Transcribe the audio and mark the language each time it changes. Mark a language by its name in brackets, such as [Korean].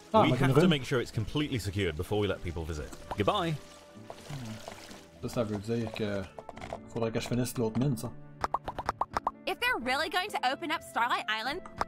[English] Ah, we have to make sure it's completely secured before we let people visit. Goodbye. [French] Ça veut dire que faudrait que je finisse l'autre mine, ça. [English] If they're really going to open up Starlight Island,